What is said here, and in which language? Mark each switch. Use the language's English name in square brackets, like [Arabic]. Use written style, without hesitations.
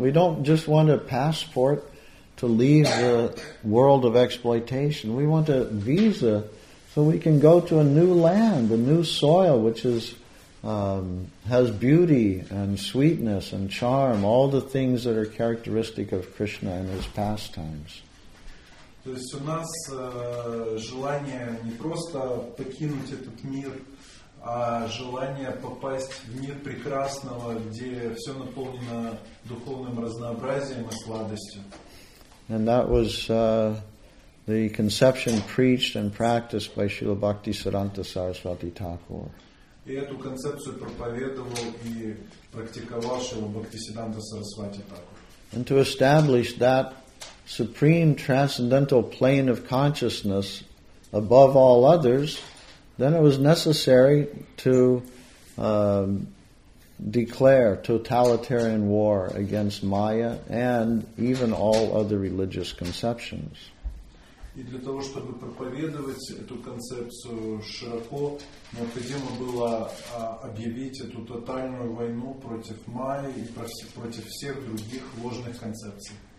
[English] We don't just want a passport to leave the world of exploitation. We want a visa so we can go to a new land, a new soil, which is has beauty and sweetness and charm, all the things that are characteristic of Krishna and his pastimes. [Russian] То есть у нас желание не просто покинуть этот мир, а желание попасть в мир прекрасного, где все наполнено духовным разнообразием и сладостью. [English] And that was the conception preached and practiced by Srila Bhakti Siddhanta Saraswati Thakur. [Russian] И эту концепцию проповедовал и практиковал Шрила Бхактисиддханта Сарасвати Такур. [English] And to establish that supreme transcendental plane of consciousness above all others, then it was necessary to declare totalitarian war against Maya and even all other religious conceptions. [Russian] И для того, чтобы проповедовать эту концепцию широко, необходимо было объявить эту тотальную войну против Майи и против всех других ложных концепций.